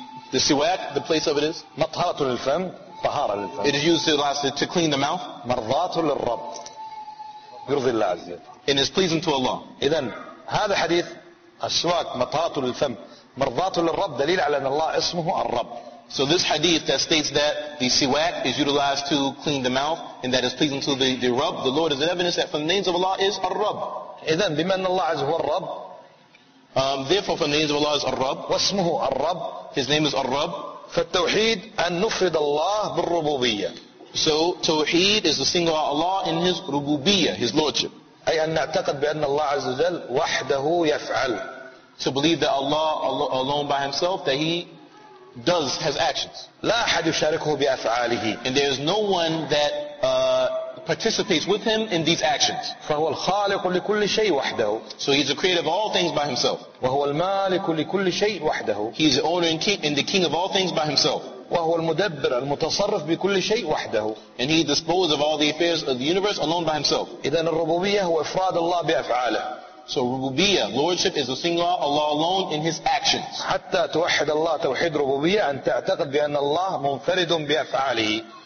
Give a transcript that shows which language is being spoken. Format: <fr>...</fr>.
<en>The siwak, the place of it is.</en> <ar>مطهرة للفم, طهارة للفم.</ar> <en>It is used to clean the mouth.</en> <ar>مرضات للرب. يرضي الله عز وجل.</ar> <en>And is pleasing to Allah.</en> <ar>إذن هذا حديث السواك مطهرة للفم, مرضات للرب, دليل على أن الله اسمه الرب.</ar> <en>So this hadith that states that the siwak is utilized to clean the mouth and that is pleasing to the Rabb, the Lord, is an evidence that from the names of Allah is Ar-Rabb.</en> <ar>إذن بما أن الله عز هو الرب.</ar> <en>Therefore, from the name of Allah is Ar-Rab.</en> <ar>واسمه الرب.</ar> <en>His name is Ar-Rab.</en> <ar>فالتوحيد أن نفرد الله بالربوبية.</ar> <en>So, توحيد is the single out Allah in His ربوبية, His lordship.</en> <ar>أي أن نعتقد بأن الله عز وجل وحده يفعل.</ar> <en>To believe that Allah alone by Himself, that He does, has actions.</en> <ar>لا أحد يشاركه بأفعاله.</ar> <en>And there is no one that participates with Him in these actions.</en> <ar>فهو الخالق لكل شيء وحده.</ar> <en>So He's the creator of all things by Himself.</en> <ar>وهو المالك لكل شيء وحده.</ar> <en>He is the owner and king, and the king of all things by Himself.</en> <ar>وهو المدبر المتصرف بكل شيء وحده.</ar> <en>And He disposes of all the affairs of the universe alone by Himself.</en> <ar>إذن الربوبية هو إفراد الله بأفعاله.</ar> <en>So rububiyyah, lordship is a single out Allah alone in His actions.</en> <ar>حتى توحد الله توحيد ربوبية أن تعتقد بأن الله منفرد بأفعاله.</ar>